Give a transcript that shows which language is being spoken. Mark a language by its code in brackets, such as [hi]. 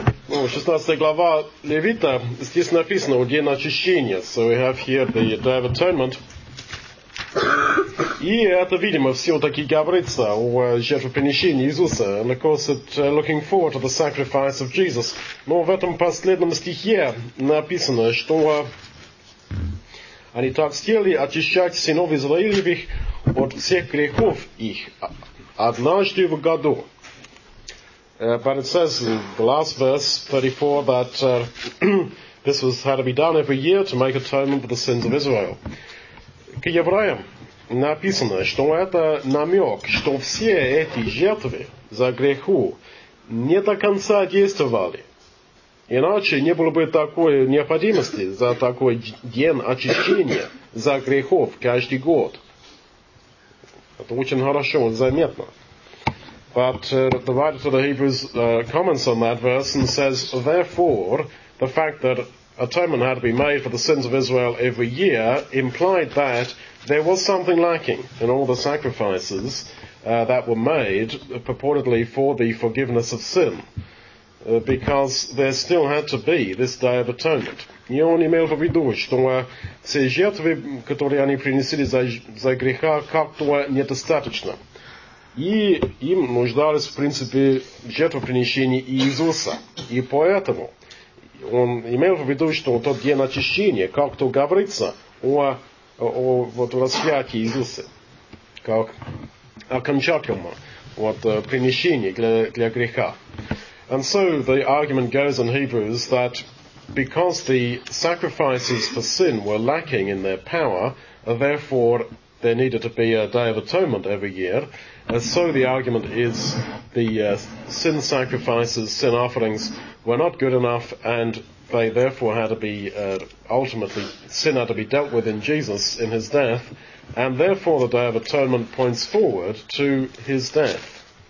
[ru] Иакова, 16 глава Левита, здесь написано, где очищение. [en] So we have here the Day of Atonement. [ru] И это, видимо, все таки говорится о жертвоприношении Иисуса. [en] And of course, looking forward to the sacrifice of Jesus. [ru] Но в этом последнем стихе написано, что они так хотели очищать сынов Израилевых от всех грехов их однажды в году. [en] But it says in the last verse, 34, that this was had to be done every year to make atonement for the sins of Israel. [ru] К евреям написано, что это намек, что все эти жертвы за греху не до конца действовали. Иначе не было бы такой необходимости за такой день очищения за грехов каждый год. Это очень хорошо, заметно. [en] But the writer to the Hebrews comments on that verse and says, therefore, the fact that atonement had to be made for the sins of Israel every year implied that there was something lacking in all the sacrifices that were made purportedly for the forgiveness of sin, because there still had to be this Day of Atonement. [ru] И он имел в виду, что все жертвы, которые они принесли за греха, как-то недостаточно. И им нуждались, в принципе, жертвоприношение Иисуса. И поэтому он имел в виду, что тот день очищения, как-то говорится о вот распятии Иисуса, как окончательно вот, приношение для греха. [en] And so the argument goes in Hebrews that because the sacrifices for sin were lacking in their power, therefore there needed to be a Day of Atonement every year. And so the argument is the sin sacrifices, sin offerings were not good enough, and they therefore had to be ultimately sin had to be dealt with in Jesus in his death, and therefore the Day of Atonement points forward to his death.